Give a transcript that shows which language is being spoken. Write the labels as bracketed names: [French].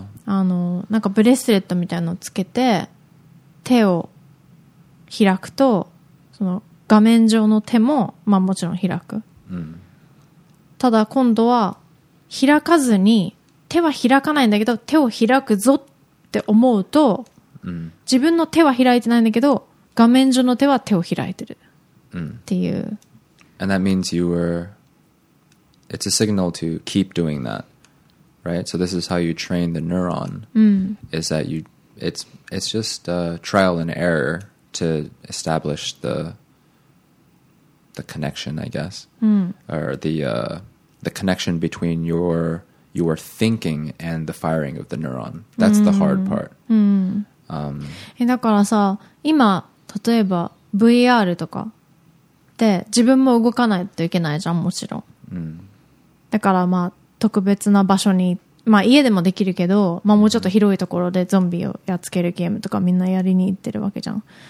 [Japanese] あの、なんかブレスレットみたいなのつけて、手を開くと、その画面上の手も、まあ、もちろん開く、うん、ただ今度は開かずに手は開かないんだけど手を開くぞって思うと、うん、自分の手は開いてないんだけど画面上の手は手を開いてるっていう、うん、 [English] And that means you were It's a signal to keep doing that Right? So this is how you train the neuron、 [Japanese] うん、 [English] Is that you It's just a trial and errorTo establish the connection, I guess,、 mm. or the connection between your thinking and the firing of the neuron. That's、mm. the hard part.、 Mm. [Japanese] だからさ、今例えば VR とかで自分も動かないといけないじゃん、もちろん。 Mm. だからまあ特別な場所に、まあ家でもできるけど、まあもうちょっと広いところでゾンビをやっつけるゲームとかみんなやりに行ってるわけじゃん。